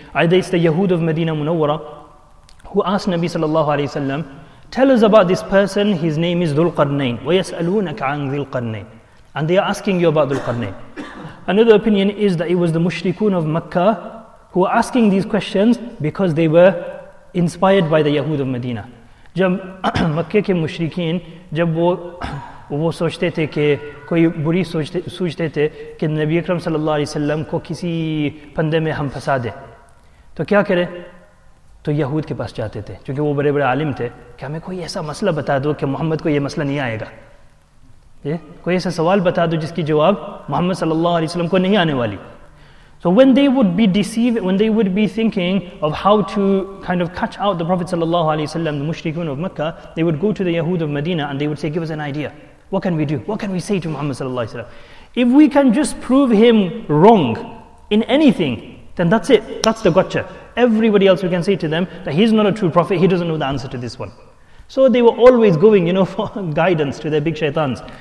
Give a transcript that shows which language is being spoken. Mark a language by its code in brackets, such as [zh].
[en] Either it's the Yahud of Medina Munawwara who asked Nabi sallallahu alayhi wa sallam, Tell us about this person, his name is Dhul Qarnayn. [ar] وَيَسْأَلُونَكَ عَنْ ذِي الْقَرْنَيْنِ [en] And they are asking you about Dhul Qarnayn. Another opinion is that it was the mushrikun of Makkah who were asking these questions because they were inspired by the Yahud of Medina. [ur] جب مکہ کے مشرکین جب وہ سوچتے تھے کہ کوئی بری سوچتے تھے کہ نبی اکرم صلی اللہ علیہ وسلم کو کسی پندے میں ہم پھنسا دیں تو کیا کرے؟ تو یہود کے پاس جاتے تھے کیونکہ وہ بڑے بڑے عالم تھے کہ ہمیں کوئی ایسا مسئلہ بتا دو کہ محمد کو یہ مسئلہ نہیں آئے گا کوئی ایسا سوال بتا دو جس کی جواب محمد صلی اللہ علیہ وسلم کو نہیں آنے والی [en] So when they would be deceived, when they would be thinking of how to kind of catch out the Prophet sallallahu alaihi wasallam, the mushrikun of Mecca, they would go to the Yahud of Medina and they would say, give us an idea. What can we do? What can we say to Muhammad sallallahu alaihi wasallam? If we can just prove him wrong, in anything, then that's it. That's the gotcha. Everybody else, we can say to them that he's not a true prophet. He doesn't know the answer to this one. So they were always going, you know, for guidance to their big shaitans.